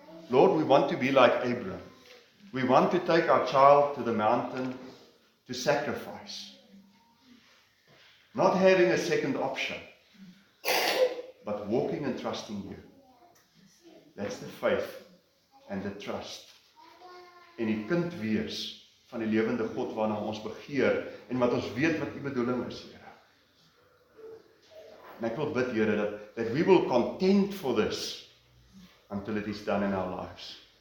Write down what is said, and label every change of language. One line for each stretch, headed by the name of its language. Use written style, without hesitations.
English: Lord, we want to be like Abraham. We want to take our child to the mountain to sacrifice, not having a second option, but walking and trusting you. That's the faith and the trust.
Afrikaans: En die kind wees van die lewende God waarna ons begeer en wat ons weet wat die bedoeling is, Here. En ek wil bid, Here,
English: that we will contend for this until it is done in our lives.